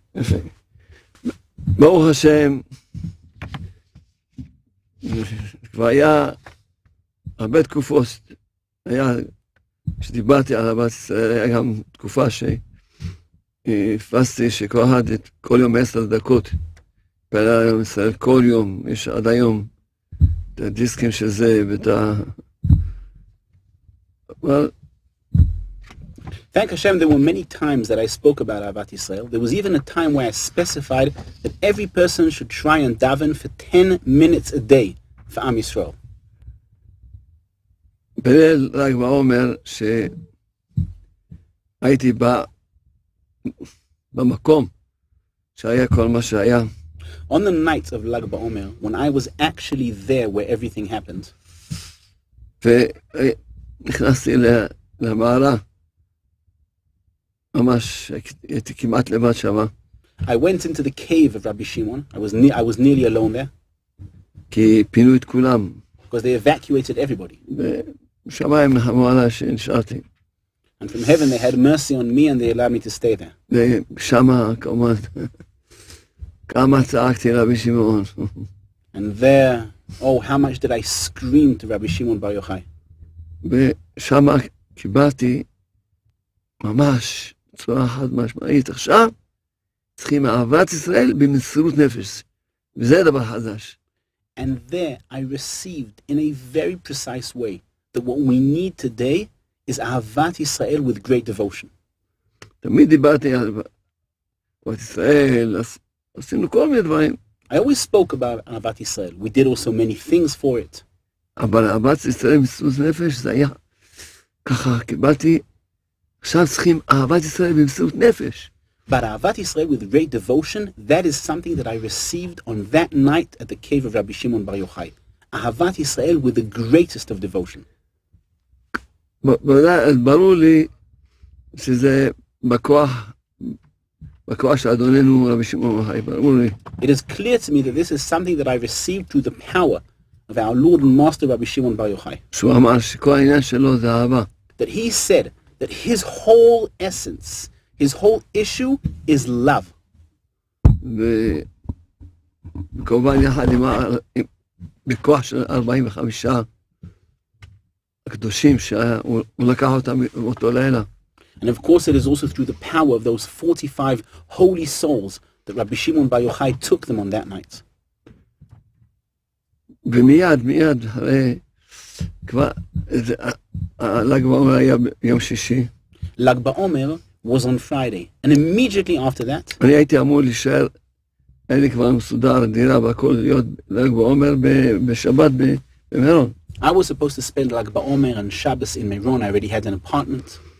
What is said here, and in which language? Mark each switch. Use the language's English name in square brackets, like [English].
[Hebrew] Baruch Hashem, v'haya arbet kufos, haya כשדיברתי על אהבת ישראל, היה גם תקופה שהפסתי שכל אחד את כל יום 10 דקות פעלה על יום ישראל, כל יום, יש עד היום את הדיסקים של זה ואת ה... אבל... [English] Thank Hashem, there were many times that I spoke about Ahavat Yisrael. There was even a time where I specified that every person should try and daven for 10 minutes a day for Am Yisrael. [Hebrew] בליל ל"ג בעומר שהייתי בא במקום שהיה כל מה שהיה. [English] On the night of ל"ג בעומר, when I was actually there where everything happened. [Hebrew] ונכנסתי למערה. ממש הייתי כמעט לבד שמה. [English] I went into the cave of Rabbi Shimon. I was nearly alone there. [Hebrew] כי פינו את כולם. [English] Because they evacuated everybody. [Hebrew] שמיים נחמו עליי שנשארתי. [English] And from heaven they had mercy on me and they allowed me to stay there. [Hebrew] ושמה כמה צעקתי רבי שמעון. [English] And there, oh, how much did I scream to Rabbi Shimon Bar Yochai. [Hebrew] ושמה קיבלתי ממש צורה חד משמעית. עכשיו צריכים אהבת ישראל במסירות נפש. וזה דבר חדש. [English] And there I received in a very precise way that what we need today is Ahavat Yisrael with great devotion. I always spoke about Ahavat Yisrael. We did also many things for it. [Hebrew] אבל אהבת ישראל במסירות נפש, זה היה ככה, קיבלתי, עכשיו צריכים אהבת ישראל במסירות נפש. [English] But Ahavat Yisrael with great devotion, that is something that I received on that night at the cave of Rabbi Shimon Bar Yochai. Ahavat Yisrael with the greatest of devotion. [Hebrew] ברור לי שזה בכוח, בכוח של אדוננו רבי שמעון בר יוחאי, ברור לי. [English] It is clear to me that this is something that I received through the power of our Lord and Master Rabbi Shimon Bar Yochai. [Hebrew] שהוא אמר שכל העניין שלו זה אהבה. [English] That he said that his whole essence, his whole issue is love. [Hebrew] וכמובן יחד עם בכוח של 45 הקדושים שהוא לקח אותם באותו לילה. [English] And of course it is also through the power of those 45 holy souls that Rabbi Shimon Bar Yochai took them on that night. [Hebrew] ומיד, מיד, הרי כבר, ל"ג בעומר היה ביום שישי. [English] ל"ג בעומר was on Friday. And immediately after that, [Hebrew] אני הייתי אמור להישאר, אין לי כבר מסודר, דירה והכל להיות ל"ג בעומר בשבת במירון. [English] I was supposed to spend ל"ג בעומר and Shabbos in Meron. I already had an apartment.